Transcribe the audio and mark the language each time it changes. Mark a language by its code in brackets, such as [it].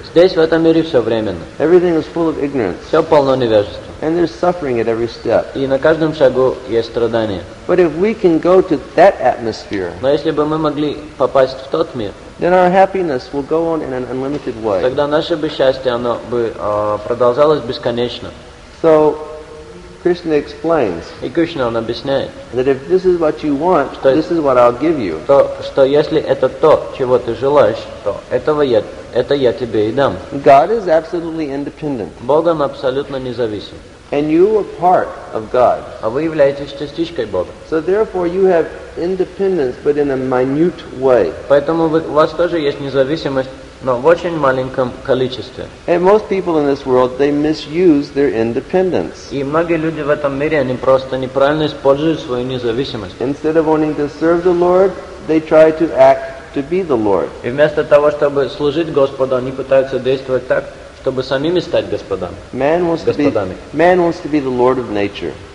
[ru] Здесь в этом мире все временно. [en] Everything is full of ignorance. [ru] Все полно невежества. [en] And there's suffering at every step. [ru] И на каждом шагу есть страдания. [en] But if we can go to that atmosphere, [ru] но если бы мы могли попасть в тот мир, [en] then our happiness will go on in an unlimited way. [ru] Тогда наше бы счастье оно бы продолжалось бесконечно. [en] So Krishna explains. [ru] И Кришна он объясняет. [en] That if this is what you want, [ru] что, [en] this is what I'll give you. [ru] Что если это то, чего ты желаешь, то этого я это я тебе и дам. [en] God is absolutely independent. [ru] Бог он абсолютно независим. [en] And you are part of God. [ru] А вы являетесь частичкой Бога. [en] So therefore you have independence, but in a minute way. [ru] Поэтому у вас тоже есть независимость, но в очень маленьком количестве. [en] And most people in this world, they misuse their independence. [ru] И многие люди в этом мире, они просто неправильно используют свою независимость. [en] Instead of wanting to serve the Lord, they try to act to be the Lord. [ru] И вместо того, чтобы служить Господу, они пытаются действовать так, чтобы самими стать господами. [en] Man wants to be the Lord of nature.